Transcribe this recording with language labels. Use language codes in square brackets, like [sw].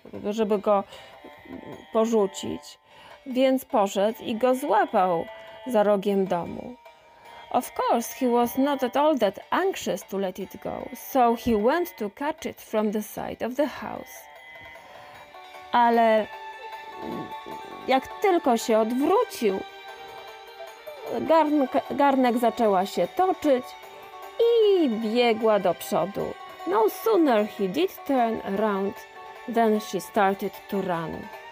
[pl] żeby go porzucić. Więc poszedł i go złapał za rogiem domu. [en] Of course, he was not at all that anxious to let it go, so he went to catch it from the side of the house. [pl] Ale jak tylko się odwrócił, garnek zaczęła się toczyć i biegła do przodu. [en] No sooner he did turn around, than she started to run.